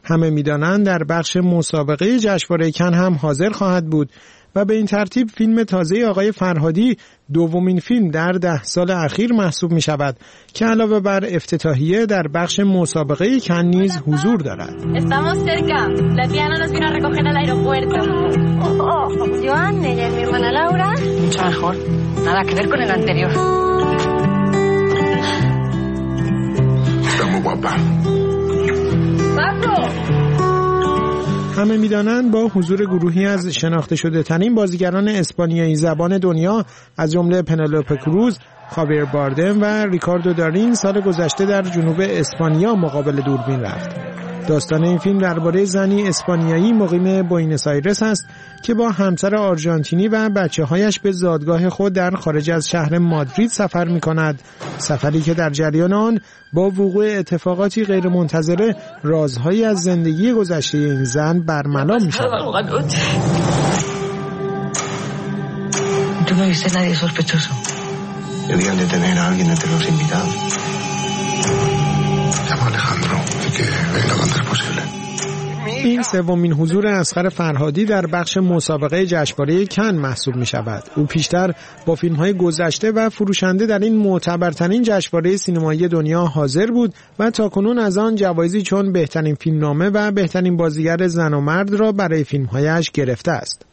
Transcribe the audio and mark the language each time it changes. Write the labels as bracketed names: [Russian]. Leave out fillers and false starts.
[Persian] همه می‌دانند در بخش مسابقه جشنواره کن هم حاضر خواهد بود و به این ترتیب فیلم تازه آقای فرهادی دومین فیلم در 10 سال اخیر محسوب می شود که علاوه بر افتتاحیه در بخش مسابقه کن نیز حضور دارد. [Spanish] Estamos cerca. La tía Ana nos vino a recoger al aeropuerto. Joan, ella es mi hermana Laura. Mucho mejor. Nada que ver con el anterior. Está muy guapa. Paco. [Persian] همه می‌دانند با حضور گروهی از شناخته شده ترین بازیگران اسپانیایی زبان دنیا از جمله پنلوپه کروز، خاویر باردم و ریکاردو دارین سال گذشته در جنوب اسپانیا مقابل دوربین رفت. داستان این فیلم درباره زنی اسپانیایی مقیم بوئنوس آیرس است که با همسر آرژانتینی و بچه‌هایش به زادگاه خود در خارج از شهر مادرید سفر می‌کند. سفری که در جریان آن با وقوع اتفاقاتی غیرمنتظره رازهایی از زندگی گذشته این زن برملا می‌شود. [Spanish] Tú no viste nadie sospechoso. Debían de tener a alguien entre los invitados. [Persian] این سومین حضور اصغر فرهادی در بخش مسابقه جشنواره کن محسوب می شود. او پیشتر با فیلم های گذشته و فروشنده در این معتبرترین جشنواره سینمایی دنیا حاضر بود و تاکنون از آن جوایزی چون بهترین فیلمنامه و بهترین بازیگر زن و مرد را برای فیلم هایش گرفته است.